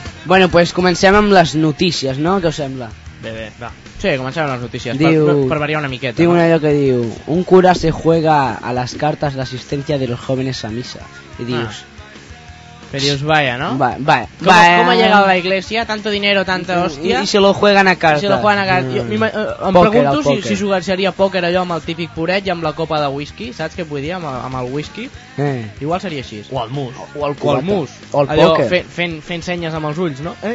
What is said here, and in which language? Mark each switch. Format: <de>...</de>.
<ca>Bueno, pues comencem amb les notícies, no? Què us sembla? Bé, va. Sí, comencem amb les notícies, diu, per variar una miqueta. Tinc una allò que diu,</ca> <es>un cura se juega a las cartas de asistencia de los jóvenes a misa.</es> <ca>I dius...</ca> <es>Pero dios vaya, ¿no? Vaya, vaya. ¿Cómo ha llegado a la iglesia? Tanto dinero, tanta hostia. Y se lo juegan a cartas. Se lo juegan a cartas. Yo, em poker,</es> <ca>pregunto si jugar, seria póker allò amb el típic puret i amb la copa de whisky. Saps què vull dir amb el whisky? Igual seria així. O el mus. O el mus. O el allò, póker. Fent senyes amb els ulls, no?</ca>